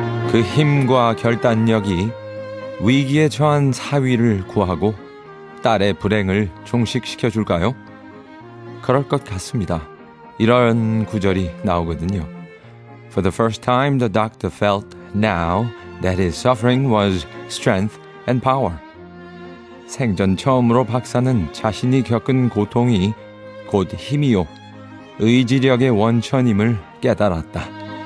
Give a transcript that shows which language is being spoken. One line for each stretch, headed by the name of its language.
Korean: 그 힘과 결단력이 위기에 처한 사위를 구하고 딸의 불행을 종식시켜줄까요? 그럴 것 같습니다. 이런 구절이 나오거든요.
English: For the first time, the doctor felt now that his suffering was strength and power.
Korean: 생전 처음으로 박사는 자신이 겪은 고통이 곧 힘이요, 의지력의 원천임을 깨달았다.